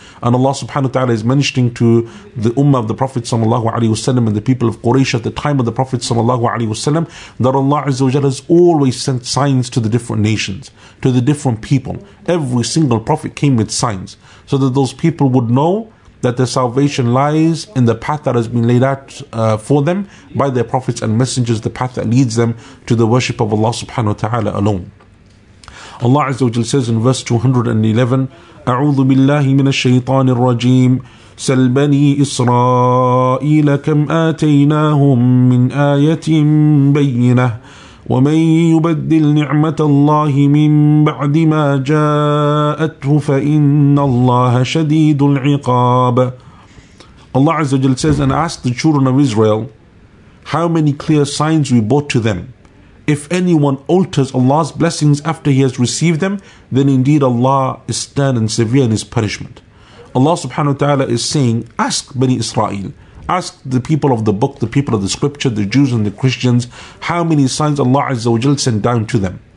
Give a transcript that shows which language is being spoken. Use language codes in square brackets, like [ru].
[en] And Allah subhanahu wa ta'ala is mentioning to the ummah of the Prophet sallallahu alayhi wa sallam and the people of Quraysh at the time of the Prophet sallallahu alayhi wa sallam that Allah Azza wa Jalla has always sent signs to the different nations, to the different people. Every single prophet came with signs so that those people would know that their salvation lies in the path that has been laid out for them by their prophets and messengers, the path that leads them to the worship of Allah subhanahu wa ta'ala alone. Allah Azza wa Jalla says in verse 211, [ar] أعوذ بالله من الشيطان الرجيم سل بني إسرائيل كم آتيناهم من آية بينة ومن يبدل نعمة الله من بعد ما جاءته فإن الله شديد العقاب. [en] Allah Azza wa Jalla says, and ask the children of Israel, how many clear signs we brought to them? If anyone alters Allah's blessings after he has received them, then indeed Allah is stern and severe in his punishment. Allah subhanahu wa ta'ala is saying, ask Bani Israel, ask the people of the book, the people of the scripture, the Jews and the Christians, how many signs Allah azza wa jal sent down to them.